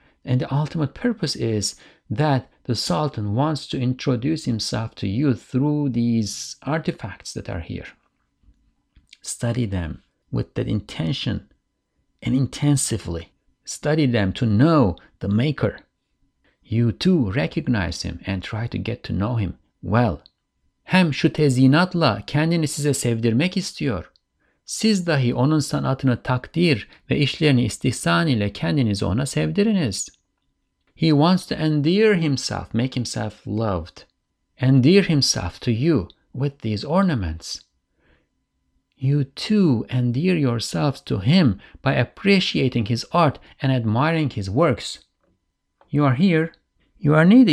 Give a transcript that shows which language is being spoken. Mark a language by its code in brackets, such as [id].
[en] And the ultimate purpose is that the Sultan wants to introduce himself to you through these artifacts that are here. Study them with that intention and intensively. Study them to know the Maker. You too recognize him and try to get to know him well. [tr] Hem şu tezyinatla kendini size sevdirmek istiyor. Siz dahi onun sanatını takdir ve işlerini istihsan ile kendinizi ona sevdiriniz. [en] He wants to endear himself, make himself loved. Endear himself to you with these ornaments. You too endear yourselves to him by appreciating his art and admiring his works. You are here. You are needy.